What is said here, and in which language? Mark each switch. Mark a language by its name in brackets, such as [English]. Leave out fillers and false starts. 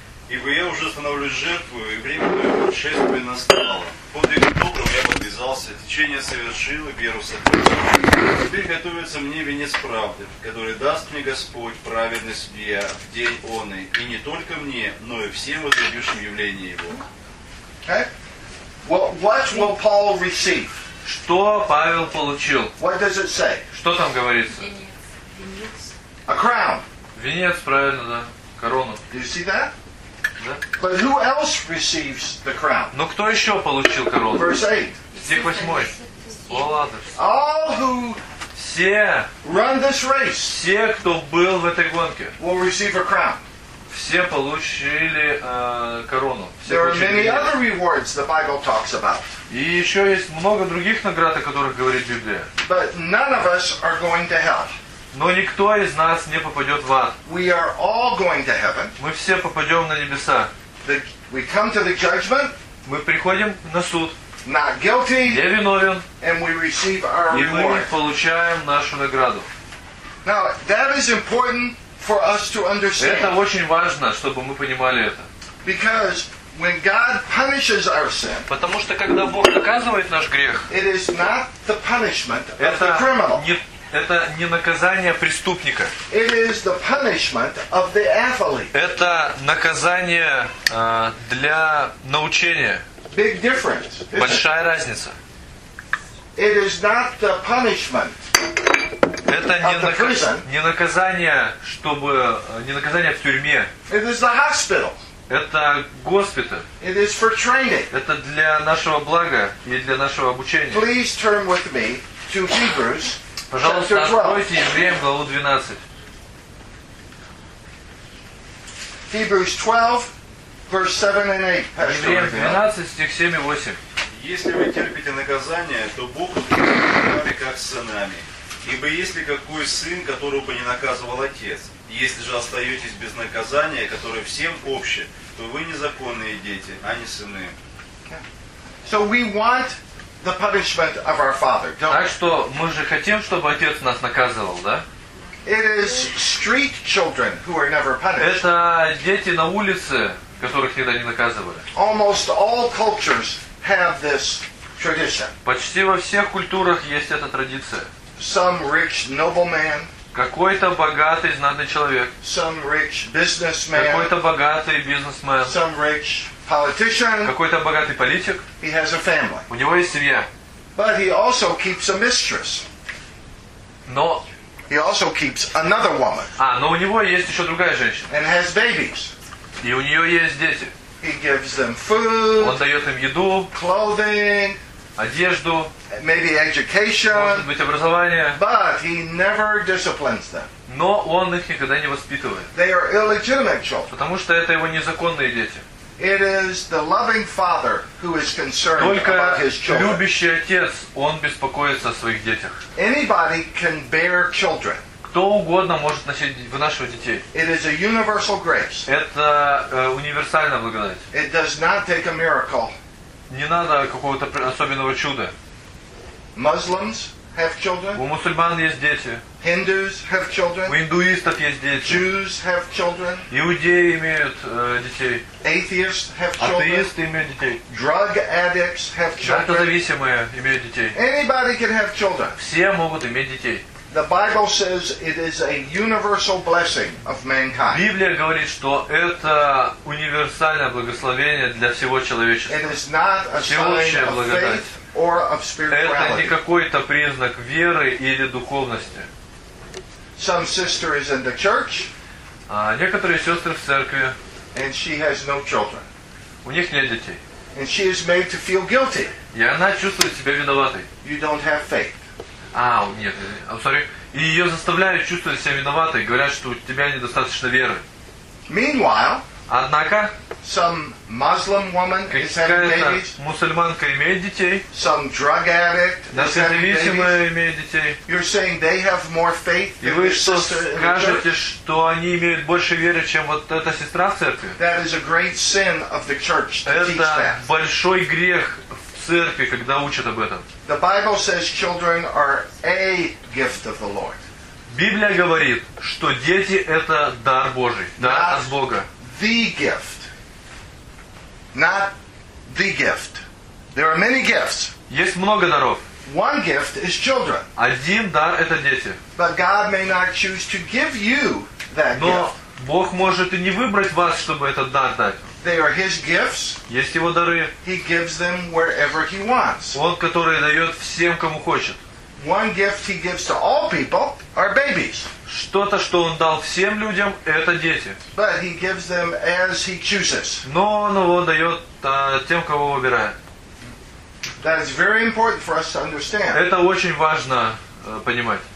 [Russian] Ибо я уже становлюсь жертвою, и время моего путешествия настало. Подвиг добрым я подвязался, течение совершил и веру сохранил. Теперь готовится мне венец правды, который даст мне Господь, праведный судья, в день оный, и не только мне, но и всем возлюбившим явление Его. [English] Okay. Well, what will Paul receive? [Russian] Что Павел получил? [English] What does it say? [Russian] Что там говорится? [English] A crown. [Russian] Венец, правильно, да. Корону. [English] Do you see that? [Russian] Да. [English] But who else receives the crown? [Russian] Но кто еще получил корону? [English] Verse 8. [Russian] Стих 8. О, ладно. [English] All who [Russian] все [English] run this race, [Russian] все, кто был в этой гонке, [English] will receive a crown. [Russian] Все получили корону. Все [English] There are many other rewards the Bible talks about. [Russian] И еще есть много других наград, о которых говорит Библия. [English] But none of us are going to hell. [Russian] Но никто из нас не попадет в ад. [English] We are all going to heaven. [Russian] Мы все попадем на небеса. [English] We come to the judgment. [Russian] Мы приходим на суд. [English] Not guilty. [Russian] Не виновен. [English] And we receive our [Russian] И мы [English] reward. [Russian] Получаем нашу награду. [English] Now, that is important for us to understand. [Russian] Это очень важно, чтобы мы понимали это. [English] Because when God punishes our sin, [Russian] потому что когда Бог наказывает наш грех, [English] it is not the punishment of the criminal. [Russian] Это не наказание преступника. [English] It is the punishment of the athlete. [Russian] Это наказание для научения. [English] Big difference. [Russian] Большая разница. [English] It is not the punishment. [Russian] Это не наказание, чтобы не наказание в тюрьме. [English] It is the hospital. [Russian] Это госпиталь. [English] It is for training. [Russian] Это для нашего блага и для нашего обучения. [English] Please turn with me to Hebrews. [Russian] Пожалуйста, откройте Евреям главу 12. [English] Hebrews 12, verse 7 and 8. [Russian] Евреям 12, стих 7 и 8. Если вы терпите наказание, то Бог будет с вами как с сынами. Ибо если какой сын, которого бы не наказывал отец, если же остаетесь без наказания, которое всем общее, то вы незаконные дети, а не сыны. [English] So we want the punishment of our father. Don't [Russian] так что мы же хотим, чтобы отец нас наказывал, да? [English] It is street children who are never punished. [Russian] Это дети на улице, которых никогда не наказывали. [English] Almost all cultures have this tradition. [Russian] Почти во всех культурах есть эта традиция. [English] Some rich nobleman. [Russian] Какой-то богатый знатный человек. [English] Some rich businessman. [Russian] Какой-то богатый бизнесмен. [English] Some rich politician. [Russian] Какой-то богатый политик. [English] He has a family. [Russian] У него есть семья. [English] But he also keeps a mistress. [Russian] Но [English] he also keeps another woman. [Russian] А, но у него есть еще другая женщина. [English] And has babies. [Russian] И у нее есть дети. [English] He gives them food. [Russian] Он дает им еду. [English] Clothing. [Russian] Одежду. [English] Maybe education. [Russian] Может быть, образование. [English] But he never disciplines them. [Russian] Но он их никогда не воспитывает. [English] They are illegitimate children. [Russian] Потому что это его незаконные дети. [English] It is the loving father who is concerned [Russian] Только [English] about his children. [Russian] Только любящий отец, он беспокоится о своих детях. [English] Anybody can bear children. [Russian] Кто угодно может носить, вынашивать детей. [English] It is a universal grace. [Russian] Это универсальная благодать. [English] It does not take a miracle. [Russian] Не надо какого-то особенного чуда. [English] Muslims have children. [Russian] У мусульман есть дети. [English] Hindus have children. [Russian] У индуистов есть дети. [English] Jews have children. [Russian] Иудеи имеют детей. [English] Atheists have children. [Russian] Атеисты имеют детей. [English] Drug addicts have children. [Russian] Наркозависимые имеют детей. [English] Anybody can have children. [Russian] Все могут иметь детей. [English] The Bible says it is a universal blessing of mankind. [Russian] Библия говорит, что это универсальное благословение для всего человечества. [English] It is not a [Russian] Всеобщая [English] sign [Russian] благодать. [English] Of faith or of spirituality. [Russian] Это не какой-то признак веры или духовности. [English] Some sister is in the church. [Russian] Некоторые сестры в церкви. [English] And she has no children. [Russian] У них нет детей. [English] And she is made to feel guilty. [Russian] И она чувствует себя виноватой. [English] You don't have faith. [Russian] А, нет, [English] sorry. [Russian] И ее заставляют чувствовать себя виноватой, говорят, что у тебя недостаточно веры. [English] Meanwhile, [Russian] Однако [English] some Muslim woman is having babies. [Russian] Мусульманка имеет детей. [English] Some drug addict is [Russian] Зависимая имеет детей. [English] You're saying they have more faith than [Russian] И вы что скажете, что они имеют больше веры, чем вот эта сестра в церкви? [English] That is a great sin of the church to [Russian] Это [English] teach that. [Russian] Большой грех в церкви, когда учат об этом. [English] The Bible says children are a gift of the Lord. [Russian] Библия говорит, что дети это дар Божий, да, от Бога. [English] The gift. Not the gift. There are many gifts. [Russian] Есть много даров. [English] One gift is children. [Russian] Один дар это дети. [English] But God may not choose to give you that [Russian] Но [English] gift. [Russian] Бог может и не выбрать вас, чтобы этот дар дать. [English] They are His gifts. [Russian] Есть его дары. [English] He gives them wherever He wants. [Russian] Он, который дает всем, кому хочет. [English] One gift He gives to all people are babies. [Russian] Что-то, что Он дал всем людям, это дети. [English] But He gives them as He chooses. [Russian] Но Он его дает тем, кого выбирает. [English] That is very important for us to understand. [Russian] Это очень важно понимать.